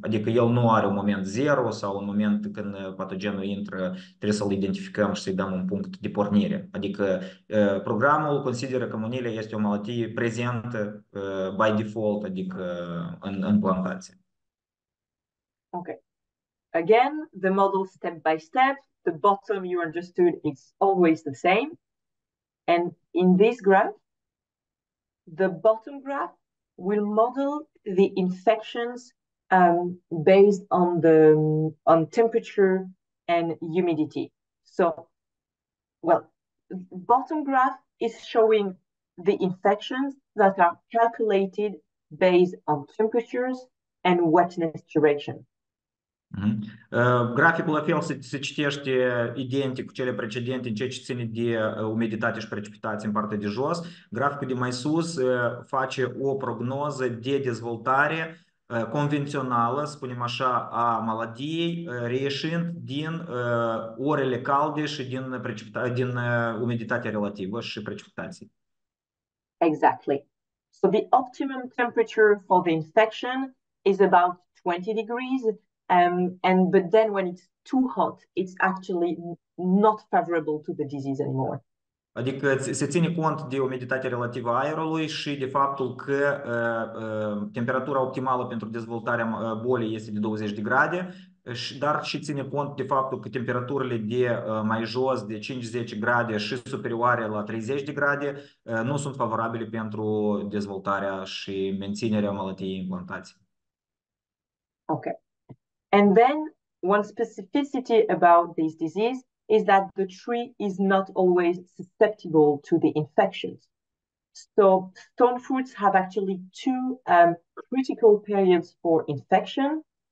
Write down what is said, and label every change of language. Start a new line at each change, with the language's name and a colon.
Romanian: Adică el nu are un moment zero sau un moment când patogenul intră, trebuie să-l identificăm și să-i dăm un punct de pornire. Adică programul consideră că monilia este o maladie prezentă
English: by default,
Romanian: adică în plantație.
English: Ok. Again, the model step by step, the bottom you understood is always the same. And in this graph, the bottom graph will model the infections based on on temperature and humidity. So, well, bottom graph is showing the infections that are calculated based on temperatures and wetness duration.
Romanian: Graficul la fel se citește identic cu cele precedente în ceea ce ține de umiditate și precipitație în partea de jos. Graficul de mai sus face o prognoză de dezvoltare convențională, spunem așa, a maladiei, reieșind din orele calde și din umiditatea relativă și precipitații.
English: Exactly. So the optimum temperature for the infection is about 20 degrees. But then when it's too hot, it's actually not favorable to the disease anymore.
Romanian: Adică se ține cont de umiditatea relativă a aerului și de faptul că temperatura optimală pentru dezvoltarea bolii este de 20 de grade, dar și ține cont de faptul că temperaturile de mai jos, de 5-10 grade și superioare la 30 de grade, nu sunt favorabile pentru dezvoltarea și menținerea maladiei în plantație.
English: Ok. And then one specificity about this disease is that the tree is not always susceptible to the infections. So stone fruits have actually two critical periods for infection.